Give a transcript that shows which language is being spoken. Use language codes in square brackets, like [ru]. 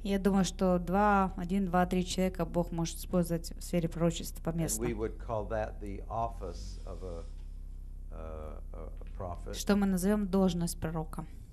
[ru] Я думаю, что один, два, три человека Бог может использовать в сфере пророчества поместно. [en] And we would call that the office of a prophet. [ru] Что мы назовем должность пророка.